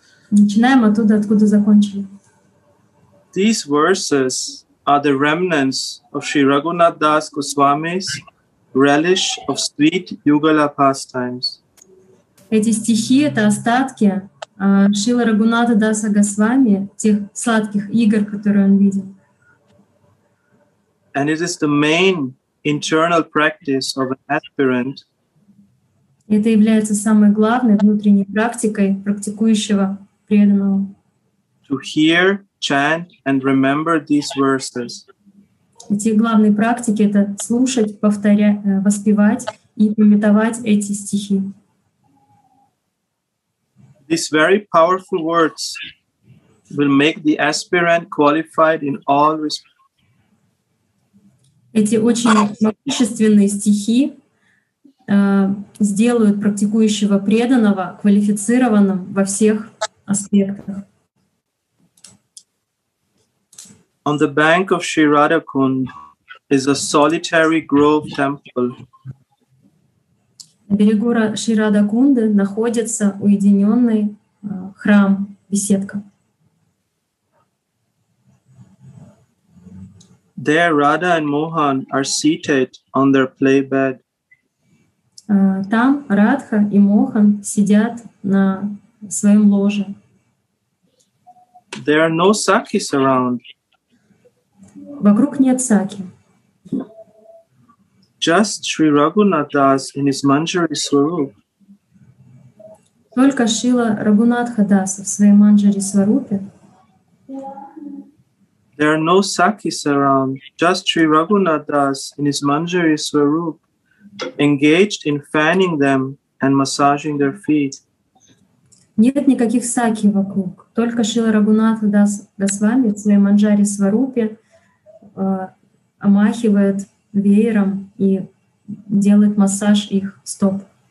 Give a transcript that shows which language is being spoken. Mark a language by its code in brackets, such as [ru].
[ru] Начинаем оттуда, откуда закончили. [en] These verses are the remnants of Sri Raghunath Das Goswami's relish of sweet Yugala pastimes. [ru] Эти стихи – это остатки Шрила Рагхунатха Даса Госвами, тех сладких игр, которые он видел. [en] And it is the main internal practice of an aspirant. [ru] Это является самой главной внутренней практикой практикующего преданного. [en] To hear, chant and remember these verses. [ru] Эти главные практики это слушать, повторять, воспевать и памятовать эти стихи. [en] These very powerful words will make the aspirant qualified in all respects. [ru] Эти очень могущественные стихи сделают практикующего преданного квалифицированным во всех аспектах. [en] On the bank of Shri Radhakund is a solitary grove temple. [ru] На берегу Шри Радхакунды находится уединенный храм, беседка. [en] There Radha and Mohan are seated on their play bed. [ru] Там Радха и Мохан сидят на своем ложе. [en] There are no sakis around. [ru] Вокруг нет саки. [en] Just Shri Raghunath Das in his manjari swarup. [ru] Только Шрила Рагхунатха Даса в своей манджари сварупе. [en] There are no sakis around. Just Shri Raghunath Das in his manjari swarup, engaged in fanning them and massaging their feet. [ru] Нет никаких саки вокруг. Только Шрила Рагхунатха Дас Госвами в своей манджари сварупе. Омахивает веером и делает массаж их стоп.